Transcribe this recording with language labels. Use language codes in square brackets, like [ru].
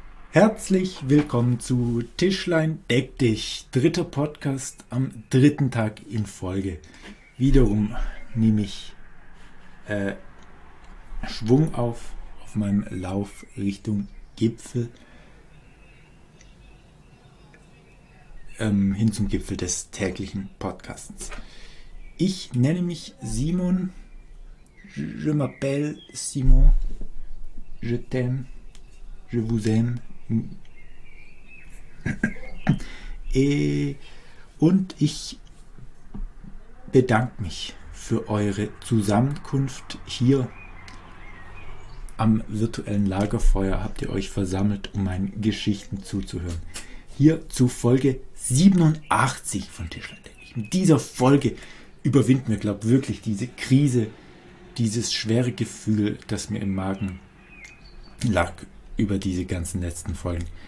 [de] Herzlich willkommen zu Tischlein Deck dich, dritter Podcast am dritten Tag in Folge. Wiederum nehme ich Schwung auf meinem Lauf Richtung Gipfel, hin zum Gipfel des täglichen Podcasts. Ich nenne mich Simon, [fr] je m'appelle Simon, je t'aime, je vous aime. [de] Und ich bedanke mich für eure Zusammenkunft hier am virtuellen Lagerfeuer. Habt ihr euch versammelt, um meinen Geschichten zuzuhören? Hier zu Folge 87 von Tischlein Deck dich. In dieser Folge überwinden wir, glaube ich, wirklich diese Krise, dieses schwere Gefühl, das mir im Magen lag über diese ganzen letzten Folgen.